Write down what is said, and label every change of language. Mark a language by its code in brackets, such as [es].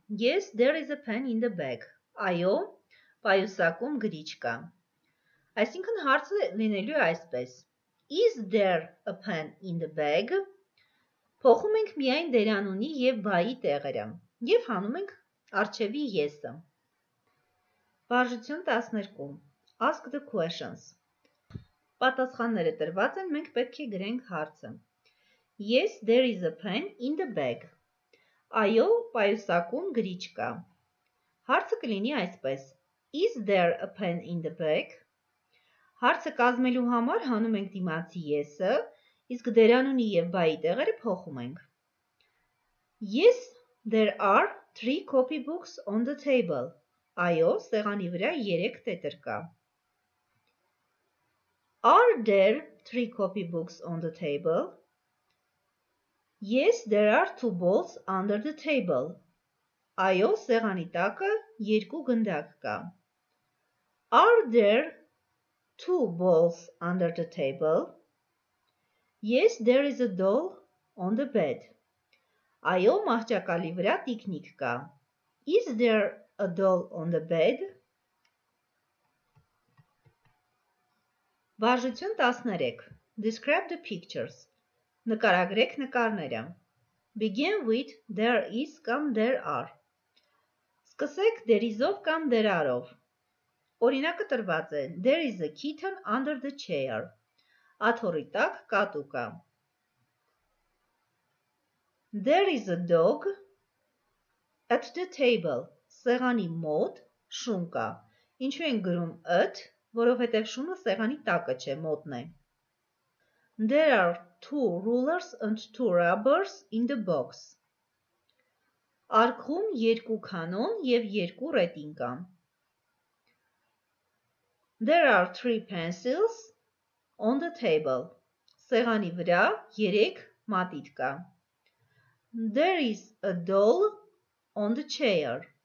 [en] Yes, there is a pen in the bag. [hy] Այո, պայուսակում գրիչ կա. Այսինքն հարցը լինելու է այսպես. [en] Is there a pen in the bag? [hy] Փոխում ենք միայն դերանունի եւ բայի տեղերը եւ հանում ենք արչեւի yes-ը. Վարժություն 12. [en] Ask the questions. [hy] Պատասխանները տրված են, մենք պետք է գրենք հարցը. [en] Yes, there is a pen in the bag. [hy] Այո, պայուսակում գրիչ կա. Հարցը կլինի այսպես. [en] Is there a pen in the bag? [hy] Հարցը կազմելու համար հանում ենք դիմացի yes-ը, իսկ դերանունի եւ բայի տեղերը փոխում ենք. [en] Yes, there are 3 copy books on the table. [hy] Այո, սեղանի վրա 3 տետր կա. [en] Are there 3 copy books on the table? Yes, there are 2 balls under the table. [hy] Այո, սեղանի տակը 2 գնդակ կա. [en] Are there 2 balls under the table? Yes, there is a doll on the bed. [hy] Այո, մահճակալի վրա տիկնիկ կա. [en] Is there a doll on the bed? [hy] Վարժություն 13. [en] Describe the pictures. [hy] Նկարագրեք նկարները. [en] Begin with there is կամ there are. [hy] Սկսեք there is-ով կամ there are-ով. Օրինակը տրված է. [en] There is a kitten under the chair. [hy] Աթոռի տակ կատու կա. [en] There is a dog at the table. [hy] Սեղանի մոտ շուն կա. Ինչու են գրում at, որովհետև շունը սեղանի տակը չէ, մոտն է. [en] There are 2 rulers and 2 rubbers in the box. [hy] Արկղում 2 քանոն եւ 2 ռետին կա. [en] There are 3 pencils on the table. [hy] Սեղանի վրա 3 մատիտ կա. [en] There is a doll on the chair.